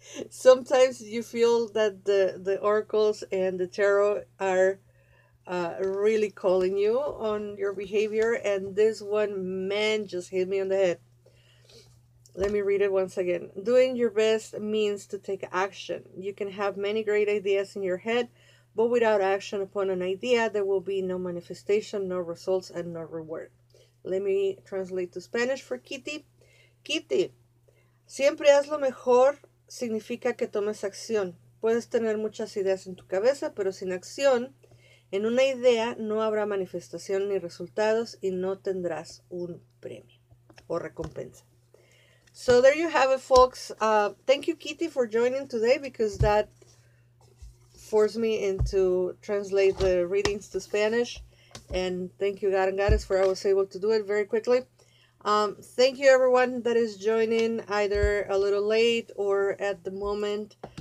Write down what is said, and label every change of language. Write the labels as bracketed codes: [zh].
[en] Sometimes you feel that the oracles and the tarot are really calling you on your behavior, and this one, man, just hit me on the head. Let me read it once again. Doing your best means to take action. You can have many great ideas in your head, but without action upon an idea, there will be no manifestation, no results, and no reward. Let me translate to Spanish for Kitty. [es] Kitty, siempre haz lo mejor significa que tomes acción. Puedes tener muchas ideas en tu cabeza, pero sin acción en una idea no habrá manifestación ni resultados y no tendrás un premio o recompensa. [en] So there you have it, folks. Thank you, Kitty, for joining today because that forced me into translate the readings to Spanish. And thank you, God and Goddess, for I was able to do it very quickly. Thank you, everyone that is joining either a little late or at the moment.